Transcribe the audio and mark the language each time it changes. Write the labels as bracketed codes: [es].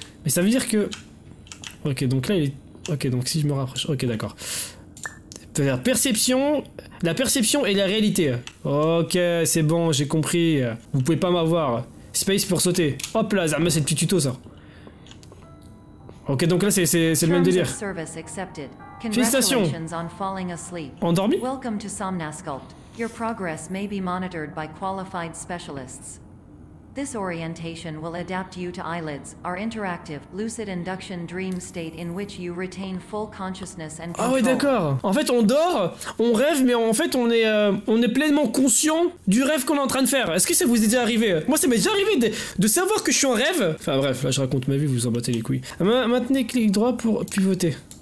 [fr] Mais ça veut dire que... Ok, donc là, il est... Ok, donc si je me rapproche... Ok, d'accord. Perception... La perception et la réalité. Ok, c'est bon, j'ai compris. Vous pouvez pas m'avoir. Space pour sauter. Hop là, mais c'est le petit tuto, ça. Ok, donc là, c'est le même délire. Félicitations. Endormi? [en] Welcome to SomnoSculpt. Your progress may be monitored by qualified specialists. This orientation will adapt you to eyelids, our interactive, lucid induction dream state in which you retain full consciousness and control. [fr] Ah ouais, d'accord. En fait, on dort, on rêve, mais en fait, on est pleinement conscient du rêve qu'on est en train de faire. Est-ce que ça vous est déjà arrivé? Moi, ça m'est déjà arrivé de savoir que je suis en rêve. Enfin bref, là, je raconte ma vie, vous vous en battez les couilles. Maintenez clic droit pour pivoter.